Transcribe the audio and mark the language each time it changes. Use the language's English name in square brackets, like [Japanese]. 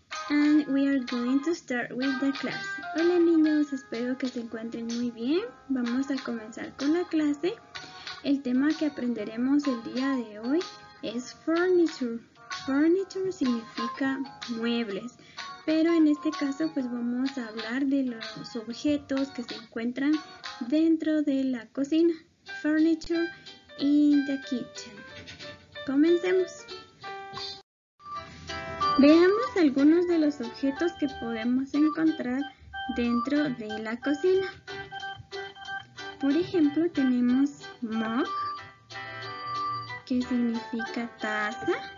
[English] And we are going to start with the class. [Spanish] Hola, niños. Espero que se encuentren muy bien. Vamos a comenzar con la clase. El tema que aprenderemos el día de hoy es furniture. Furniture significa muebles. Pero en este caso, pues vamos a hablar de los objetos que se encuentran dentro de la cocina. [English] Furniture in the kitchen. [Spanish] Comencemos. Veamos algunos de los objetos que podemos encontrar dentro de la cocina. Por ejemplo, tenemos mug, que significa taza.